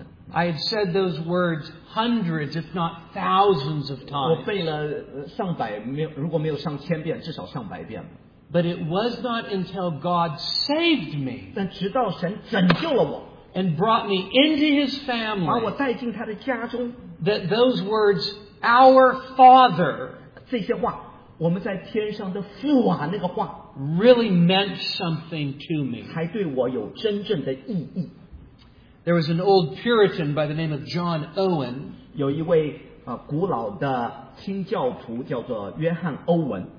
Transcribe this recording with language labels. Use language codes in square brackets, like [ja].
[en] I had said those words hundreds, if not thousands of times. [zh] 我背了上百,如果没有上千遍, [en] but it was not until God saved me and brought me into his family [zh] 把我带进他的家中, [en] that those words, Our Father, [zh] 这些话, 我们在天上的父啊，那个话 [en] really meant something to me. [zh] 才对我有真正的意义。 [en] There was an old Puritan by the name of John Owen. [zh] 有一位古老的清教徒叫做约翰·欧文。